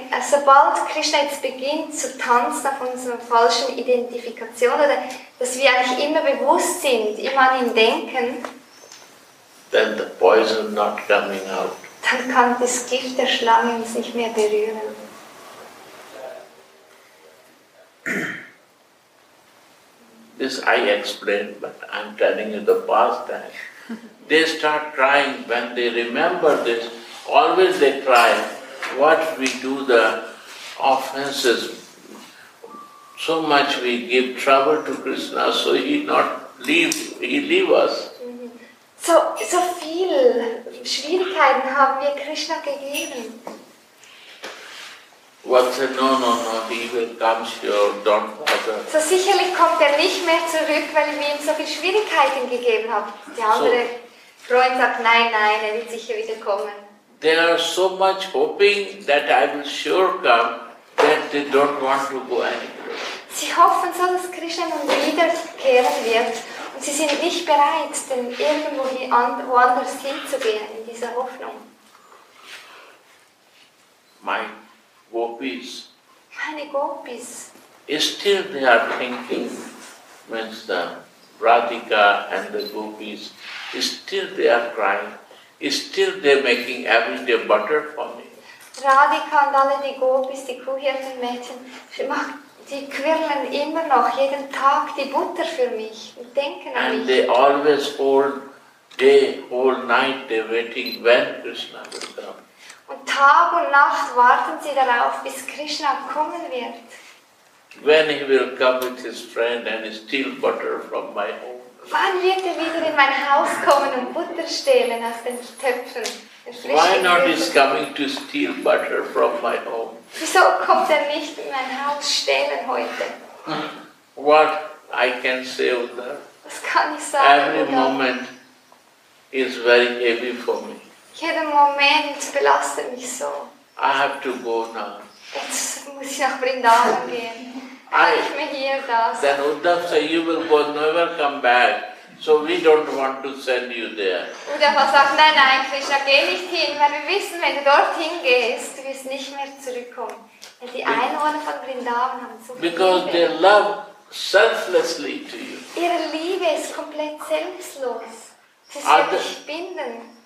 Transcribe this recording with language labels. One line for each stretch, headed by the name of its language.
German: Sobald Krishna jetzt beginnt zu tanzen auf unserer falschen Identifikation, oder dass wir eigentlich immer bewusst sind, immer an ihn denken,
English: then the poison not coming out.
German: Dann kann das Gift der Schlange uns nicht mehr berühren.
English: This I explained, but I'm telling you the past time. They start crying when they remember this. Always they cry. What we do, the offenses. So much we give trouble to Krishna, so he not leave, he leave us.
German: So viel Schwierigkeiten haben wir Krishna gegeben.
English: What said, no, he will come sure, don't bother.
German: So sicherlich kommt er nicht mehr zurück, weil wir ihm so viele Schwierigkeiten gegeben haben. Die andere Freund sagt, nein, er wird sicher wieder kommen.
English: They are so much hoping that I will sure come, that they don't want to go anywhere.
German: Sie hoffen so, dass Krishna nun wiederkehren wird. Und sie sind nicht bereit, denn irgendwo woanders hinzugehen, in dieser Hoffnung. Meine Gopis.
English: Still they are thinking, means the Radhika and the Gopis, still they are crying, still they are making every day butter for me.
German: Radhika und alle die Gopis, die Kuhhirtenmädchen, die quirlen immer noch jeden Tag die Butter für mich und denken an mich.
English: And they always all day, all night, they are waiting when Krishna will come.
German: Und Tag und Nacht warten sie darauf, bis Krishna kommen wird.
English: When he will come with his friend and steal butter from my home.
German: Wann wird er wieder in mein Haus kommen und Butter stehlen aus den Töpfen?
English: Why not is coming to steal butter from my home?
German: Wieso kommt er nicht in mein Haus stehlen heute?
English: What I can say with that?
German: Was kann ich sagen?
English: Every moment is very heavy for me.
German: Jeden Moment belastet mich so.
English: I have to go now.
German: Jetzt muss ich nach Vrindavan gehen. Ich mir hier das.
English: Then Uddhav say you will go never come back. So we don't want to send you there.
German: Uddhav sagt, nein, Krishna, geh nicht hin, weil wir wissen, wenn du dorthin gehst, du wirst nicht mehr zurückkommen. Weil die Einwohner von Vrindavan haben so viel.
English: Because
German: Liebe.
English: They love selflessly to you.
German: Ihre Liebe ist komplett selbstlos. Das wird dich binden.